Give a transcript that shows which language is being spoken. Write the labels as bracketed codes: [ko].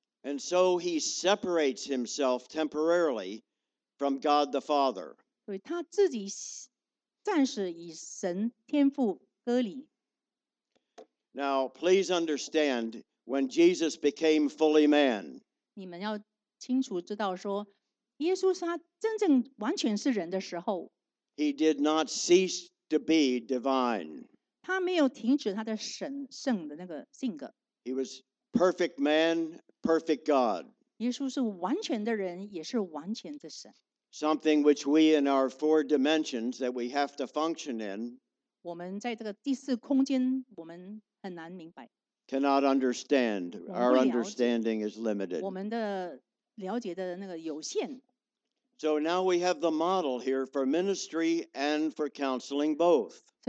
[en] And so he separates himself temporarily from God the Father. [zh] 对,他自己暂时与神天父隔离。 [en] Now, please understand, when Jesus became fully man, [zh] 你们要清楚知道说, 耶稣是他真正完全是人的时候, [en] he did not cease to be divine. [zh] 他没有停止他的神圣的那个性格。 [en] He was perfect man, perfect God. [zh] 耶稣是完全的人, [en] something which we in our four dimensions that we have to function in, [zh] 我们在这个第四空间, 我们 [en] cannot understand. Our understanding is limited. So now we have the model here for ministry and for counseling both.